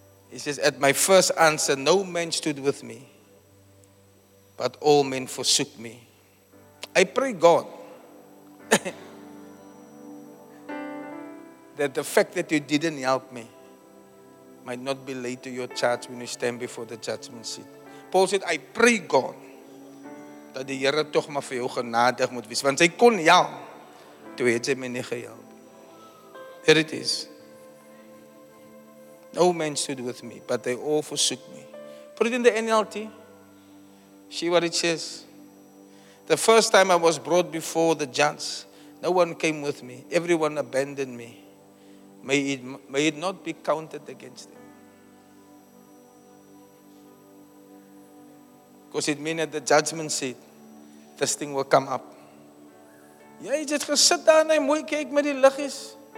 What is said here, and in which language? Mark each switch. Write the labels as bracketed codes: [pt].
[en] He says, at my first answer, no man stood with me, but all men forsook me. I pray God that the fact that you didn't help me might not be laid to your charge when you stand before the judgment seat. Paul said, I pray God that [af] die Here tog maar vir jou genadig moet wees, want sy kon help, toe het sy my nie gehelp. [en] Here it is. No man stood with me, but they all forsook me. Put it in the NLT. See what it says. The first time I was brought before the judge, no one came with me. Everyone abandoned me. May it not be counted against them. Because it means at the judgment seat, this thing will come up. [af] Jy het gesit daar en hy mooi kyk met die liggies.